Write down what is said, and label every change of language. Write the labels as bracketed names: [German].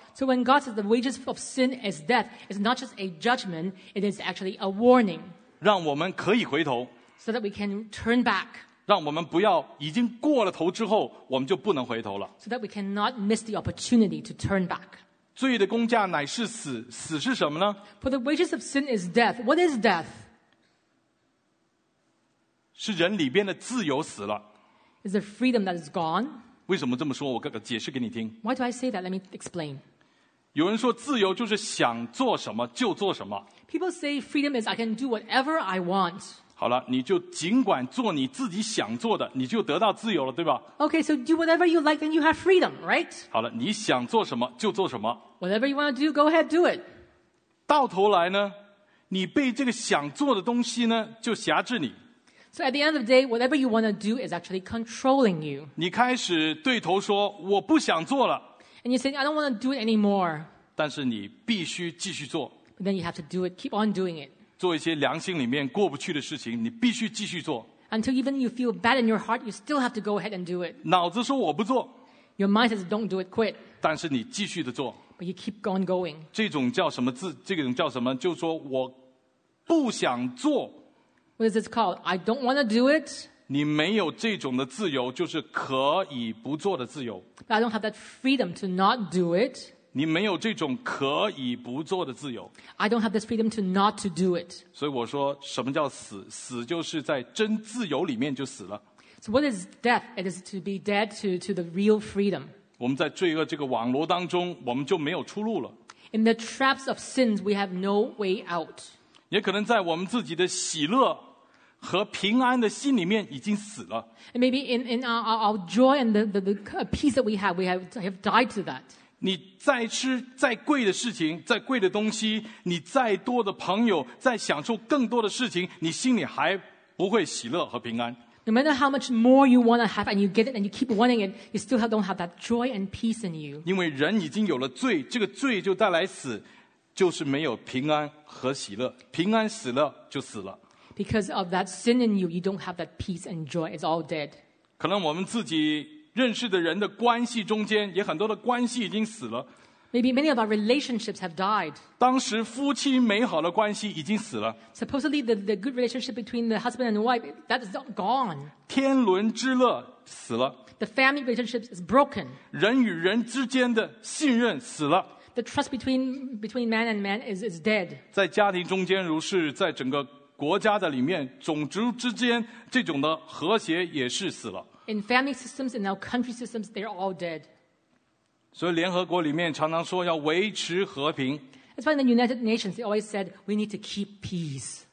[English] So when God says the wages of sin is death, it's not just a judgment, it is actually a warning. [Chinese] 让我们可以回头。 [English] So that we can turn back. [Chinese] 让我们不要已经过了头之后，我们就不能回头了。 [English] So that we cannot miss the opportunity to turn back. [Chinese] 罪的工价乃是死，死是什么呢？ [English] For the wages of sin is death. What is death? [Chinese] 是人里边的自由死了。 [English] Is the freedom that is gone? [Chinese] 为什么这么说？我解释给你听。 [English] Why do I say that? Let me explain. [Chinese] 有人说自由就是想做什么就做什么。 [English] People say freedom is I can do whatever I want. [Chinese] 好了，你就尽管做你自己想做的，你就得到自由了，对吧？ [English] Okay, so do whatever you like and you have freedom, right? [Chinese] 好了，你想做什么就做什么。 [English] Whatever you want to do, go ahead, do it. [Chinese] 到头来呢，你被这个想做的东西呢，就辖制你。 [English] So at the end of the day, whatever you want to do is actually controlling you. [Chinese] 你开始对头说我不想做了。 [English] And you say, I don't want to do it anymore. [Chinese] 但是你必须继续做。 [English] But then you have to do it, keep on doing it. [Chinese] 做一些良心里面过不去的事情，你必须继续做。 [English] Until even you feel bad in your heart, you still have to go ahead and do it. [Chinese] 脑子说我不做。 [English] Your mind says, don't do it, quit. [Chinese] 但是你继续的做。 [English] But you keep on going. [Chinese] 这种叫什么字，这种叫什么，就是说我不想做。 [English] What is this called? I don't want to do it. [Chinese] 你没有这种的自由，就是可以不做的自由。 [English] I don't have that freedom to not do it. [Chinese] 你没有这种可以不做的自由。 [English] I don't have this freedom to not to do it. [Chinese] 所以我说，什么叫死？死就是在真自由里面就死了。 [English] So what is death? It is to be dead to the real freedom. [Chinese] 我们在罪恶这个网罗当中，我们就没有出路了。 [English] In the traps of sins, we have no way out. [Chinese] 也可能在我们自己的喜乐和平安的心里面已经死了。 [English] And maybe in our joy and the peace that we have died to that. [Chinese] 你再吃再贵的事情，再贵的东西，你再多的朋友，再享受更多的事情，你心里还不会喜乐和平安。 [English] No matter how much more you want to have and you get it and you keep wanting it, you still don't have that joy and peace in you. [Chinese] 因为人已经有了罪，这个罪就带来死，就是没有平安和喜乐，平安死了就死了。 [English] Because of that sin in you, you don't have that peace and joy. It's all dead. [Chinese] 可能我们自己认识的人的关系中间，也很多的关系已经死了。 [English] Maybe many of our relationships have died. [Chinese] 当时夫妻美好的关系已经死了。 [English] Supposedly the good relationship between the husband and the wife, that is gone. [Chinese] 天伦之乐死了。 [English] The family relationship is broken. [Chinese] 人与人之间的信任死了。 [English] The trust between man and man is dead. [Chinese] 在家庭中间如是，在整个国家的里面，种族之间这种的和谐也是死了。 [English] In family systems, in our country systems, they're all dead. [Chinese] 所以联合国里面常常说要维持和平。 [English] That's why in the United Nations they always said we need to keep peace.